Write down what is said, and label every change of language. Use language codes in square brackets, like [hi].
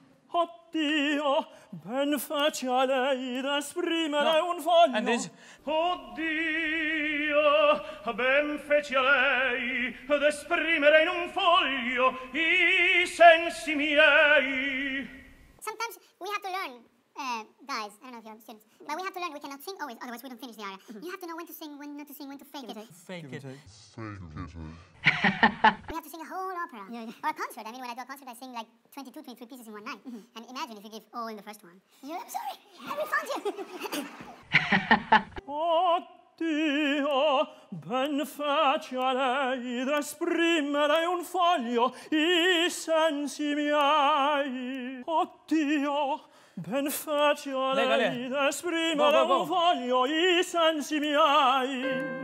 [it] oddio, ben fece a lei d'esprimere un foglio. [en] And this... Oddio, ben fece a lei d'esprimere in un foglio i sensi miei. Sometimes we have to learn, guys, I don't know if you're students, but we have to learn we cannot sing always, otherwise we don't finish the aria. You have to know when to sing, when not to sing, when to fake it. Fake it. Fake it. We have to sing a whole opera, yeah. Or a concert. I mean, when I do a concert, I sing like 22, 23 pieces in one night. Mm-hmm. And imagine if you give all in the first one. You're, I'm sorry, I refund you. [it] Oddio, ben fece a lei d'esprimere un foglio i sensi miei. Oddio, ben fece a lei d'esprimere un foglio i sensi miei.